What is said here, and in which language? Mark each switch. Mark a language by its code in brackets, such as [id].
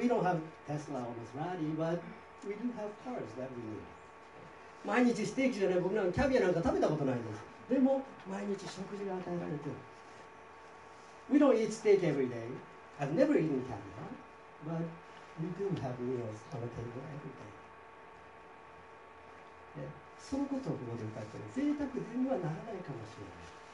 [en] Like we don't have Tesla or Maserati, but we do have cars that we need. [ja] 毎日ステーキじゃない、僕なんかキャビアなんか食べたことないんです。でも毎日食事が与えられてる。 [en] We don't eat steak every day. I've never eaten caviar, but we do have meals on the table every day. [ja] そのことをここで歌ってる。贅沢ではならないかもしれない。